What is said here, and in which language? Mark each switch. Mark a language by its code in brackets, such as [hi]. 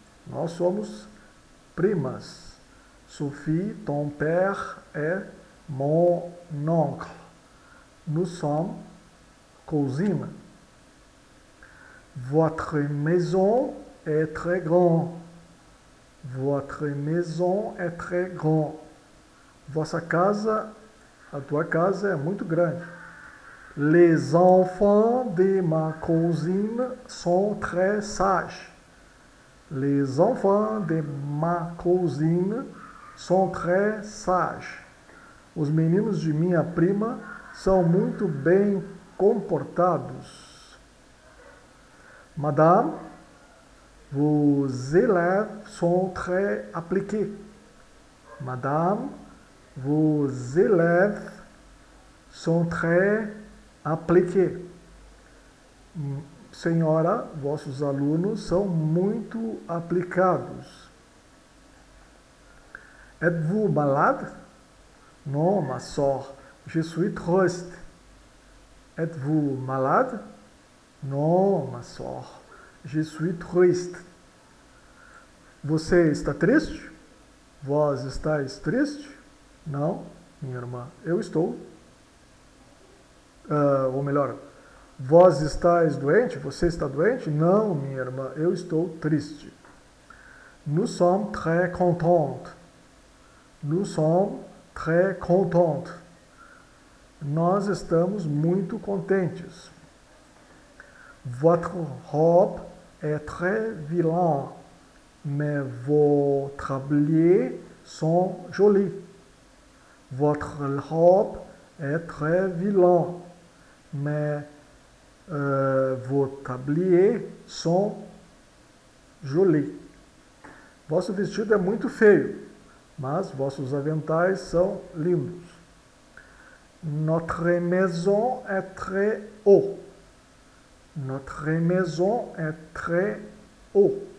[pt] Nós somos primas. [fr] Sophie, ton père est mon oncle. Nous sommes cousines. Votre maison est très grand. Votre maison est très grand. [pt] Vossa casa, a tua casa é muito grande. [fr] Les enfants de ma cousine sont très sages. Les enfants de ma cousine sont très sages. [pt] Os meninos de minha prima são muito bem comportados. [fr] Madame, vos élèves sont très appliqués. Madame, vos élèves sont très appliqués. [pt] Senhora, vossos alunos são muito aplicados. [fr] Êtes-vous malade? Non, ma soeur, je suis triste. Êtes-vous malade? Non, ma soeur, je suis triste. [pt] Você está triste? Vós estáis triste? Não, minha irmã, eu estou. Ou melhor, vós estáis doente? Você está doente? Não, minha irmã, eu estou triste. [fr] Nous sommes très contentes. Nous sommes très contentes. [pt] Nós estamos muito contentes. [fr] Votre robe est très vilain, mais vos tabliers sont jolis. Votre robe est très vilain, mais vos tabliers sont jolis. [pt] Vosso vestido é muito feio, mas vossos aventais são lindos. [fr] Notre maison est très haut. Notre maison est très haut.